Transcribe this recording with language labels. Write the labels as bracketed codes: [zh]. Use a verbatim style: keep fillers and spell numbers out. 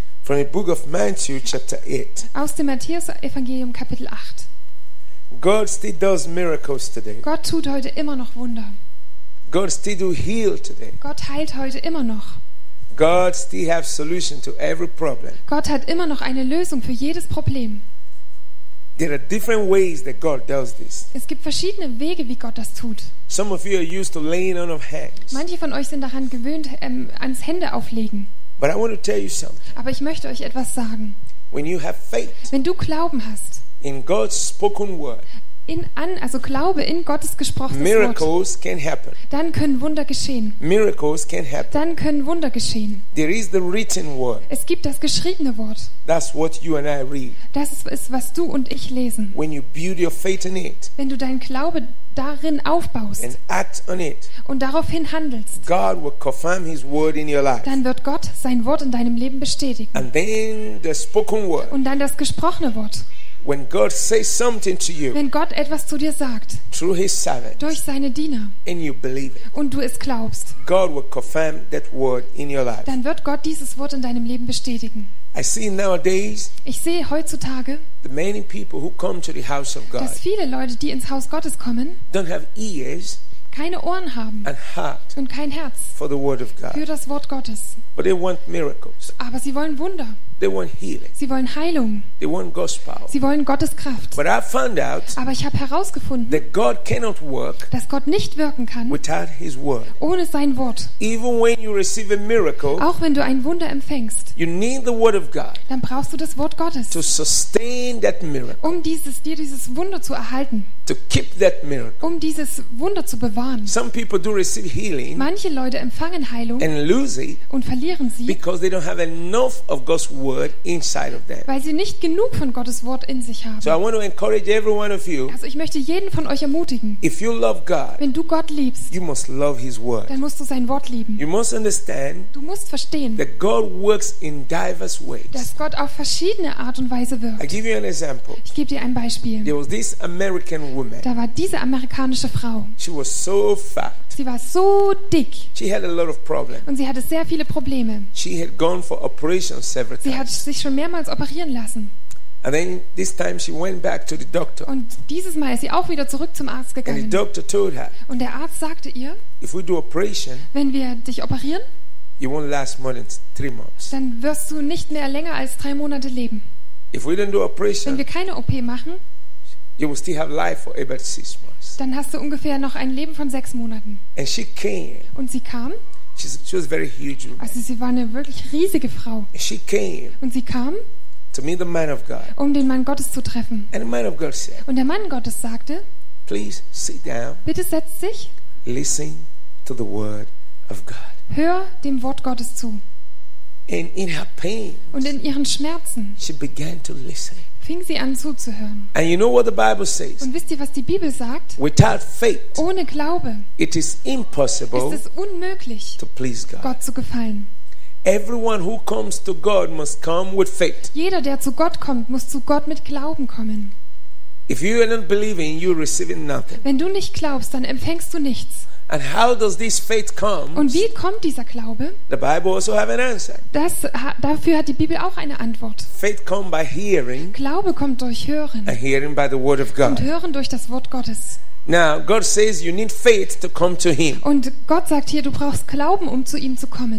[en] from the book of Matthew, chapter eight. [de] aus dem Matthäus-Evangelium, Kapitel acht. [en] God still does miracles today. [de] Gott tut heute immer noch Wunder. [en] God still do heal today. [de] Gott heilt heute immer noch. [en] God still have solution to every problem. [de] Gott hat immer noch eine Lösung für jedes Problem. [en] There are different ways that God does this. [de] Es gibt verschiedene Wege, wie Gott das tut. [en] Some of you are used to laying on of hands. [de] Manche von euch sind daran gewöhnt, ähm, ans Hände auflegen. [en] But I want to tell you something. [de] Aber ich möchte euch etwas sagen. [en] When you have faith [de] Wenn du Glauben hast, [en] in God's spoken word, [de] in, an, also Glaube in Gottes gesprochtes Wort. [en] Miracles can happen. [de] Dann können Wunder geschehen. [en] Miracles can happen. [de] Dann können Wunder geschehen. [en] There is the written word. [de] Es gibt das geschriebene Wort. [en] That's what you and I read. [de] Das ist, ist, was du und ich lesen. [en] When you build your faith in it [de] Wenn du dein Glaube darin aufbaust [en] and act on it, [de] und daraufhin handelst, [en] God will confirm his word in your life. [de] dann wird Gott sein Wort in deinem Leben bestätigen. [en] And then the spoken word. [de] Und dann das gesprochene Wort. [en] When God says something to you, [de] Wenn Gott etwas zu dir sagt, [en] through his servant, [de] durch seine Diener, [en] and you believe it, [de] und du es glaubst, [en] God will confirm that word in your life. [de] dann wird Gott dieses Wort in deinem Leben bestätigen. [en] I see nowadays [de] Ich sehe heutzutage, [en] the many people who come to the house of God [de] dass viele Leute, die ins Haus Gottes kommen, [en] don't have ears [de] keine Ohren haben [en] and heart [de] und kein Herz [en] for the word of God. [de] für das Wort Gottes. [en] But they want miracles. [de] Aber sie wollen Wunder. [en] They want healing. [de] Sie wollen Heilung. [en] They want God's power. [de] Sie wollen Gottes Kraft. [en] But I found out [de] Aber ich habe herausgefunden, [en] that God cannot work [de] dass Gott nicht wirken kann [en] without His word. [de] ohne sein Wort. [en] Even when you receive a miracle, [de] Auch wenn du ein Wunder empfängst, [en] you need the word of God [de] dann brauchst du das Wort Gottes, [en] to sustain that miracle, [de] um dieses, dir dieses Wunder zu erhalten, [en] to keep that miracle. [de] um dieses Wunder zu bewahren. [en] Some people do receive healing [de] Manche Leute empfangen Heilung [en] and lose it [de] und verlieren sie, [en] because they don't have enough of God's word inside of that. [de] Weil sie nicht genug von Gottes Wort in sich haben. [en] So I want to encourage every one of you, [de] Also ich möchte jeden von euch ermutigen. [en] if you love God, [de] Wenn du Gott liebst, [en] you must love His word. [de] dann musst du sein Wort lieben. [en] You must understand [de] Du musst verstehen, [en] that God works in diverse ways. [de] dass Gott auf verschiedene Art und Weise wirkt. [en] I give you an example. [de] Ich gebe dir ein Beispiel. [en] There was this American woman. [de] Da war diese amerikanische Frau. [en] She was so fat. [de] Sie war so dick. [en] She had a lot of problem. [de] Und sie hatte sehr viele Probleme. [en] She had gone for operation several [de] Sie hat [en] times. [de] sich schon mehrmals operieren lassen. [en] And then this time she went back to the doctor. [de] Und dieses Mal ist sie auch wieder zurück zum Arzt [en] And the [de] gegangen. [en] doctor told her, [de] Und der Arzt sagte ihr, [en] "If we do operation, [de] wenn wir dich operieren, [en] you won't last more than three months. [de] dann wirst du nicht mehr länger als drei Monate leben. [en] If we don't do operation, [de] Wenn wir keine O P machen, [en] You will still have life for every six months. [de] Dann hast du ungefähr noch ein Leben von sechs Monaten. [en] And she came. [de] Und sie kam? [en] She's, she was a very huge woman. [de] Also sie war eine wirklich riesige Frau. [en] And she came [de] Und sie kam? [en] to meet the man of God. [de] Um den Mann Gottes zu treffen. [en] And the man of God said, [de] Und der Mann Gottes sagte, [en] "Please sit down. [de] "Bitte setz dich. [en] Listen to the word of God." [de] Hör dem Wort Gottes zu. [en] And in her pains, [de] Und in ihren Schmerzen [en] she began to listen. [de] fing sie an zuzuhören. And you know what the Bible says? [en] Und wisst ihr, was die Bibel sagt? [de] Without faith, [en] Ohne Glaube [de] it is impossible [en] ist es unmöglich, [de] to please God. [en] Gott zu gefallen. [de] Everyone who comes to God must come with faith. [en] Jeder, der zu Gott kommt, muss zu Gott mit Glauben kommen. [de] If you don't believe in you, you're receiving nothing. [en] Wenn du nicht glaubst, dann empfängst du nichts. [de] And how does this faith come? [en] Und wie kommt dieser Glaube? [de] The Bible also have an answer. [en] Das ha, dafür hat die Bibel auch eine Antwort. [de] Faith come by hearing [en] Glaube kommt durch Hören. [de] and hearing by the word of God. [en] Und hören durch das Wort Gottes. [de] Now, God says you need faith to come to Him. [en] Und Gott sagt hier, du brauchst Glauben, um zu ihm zu kommen.